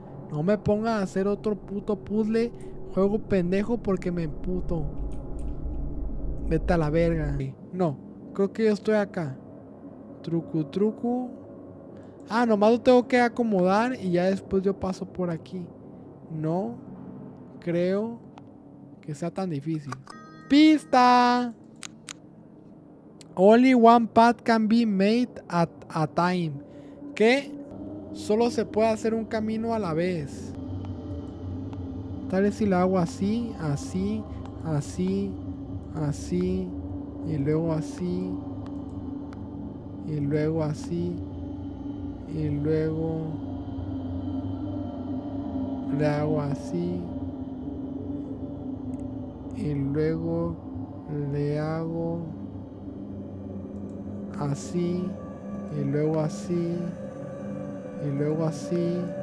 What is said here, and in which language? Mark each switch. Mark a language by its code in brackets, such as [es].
[es] No me ponga a hacer otro puto puzzle. Juego pendejo porque me emputo. Vete a la verga. No, creo que yo estoy acá. Truco, truco. Ah, nomás lo tengo que acomodar y ya después yo paso por aquí. No creo que sea tan difícil. ¡Pista! [en] Only one path can be made at a time. [es] ¿Qué? Solo se puede hacer un camino a la vez. Tal vez si lo hago así, así, así, así, y luego así, y luego así, y luego le hago así, y luego le hago así, y luego así, y luego así.